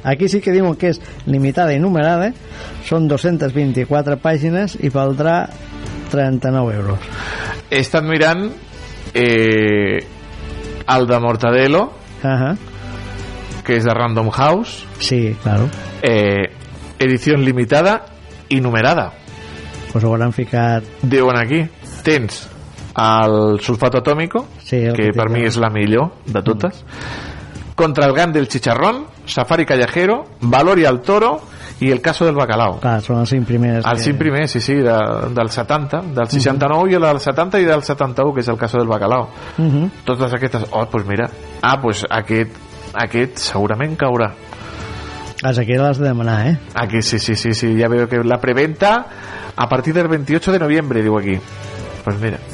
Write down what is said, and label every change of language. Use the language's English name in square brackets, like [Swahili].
[Catalan] Aquí sí que diuen que és limitada i numerada, són 224 pàgines i valdrà 39 €. he estat mirant el de Mortadelo, que és de Random House. [Spanish] Sí, claro. Edición limitada y numerada. [Catalan] Pues ho volen ficar. Diuen aquí, tens el Sulfato Atómico, sí, que per mi és la millor de totes. Contra el Gran del Chicharrón, Safari Callejero, Valor y al Toro y El Caso del Bacalao. Clar, són els cinc primers. Els cinc primers, sí, sí, del 70, del 69 i el del 70 i del 71, que és El Caso del Bacalao. Totes aquestes, oh, pues mira, ah, pues aquest segurament caurà. Les aquí les he de demanar, eh? Aquí, sí, sí, sí, sí, ja veo que la preventa a partir del 28 de novembre, diu aquí. Pues mira.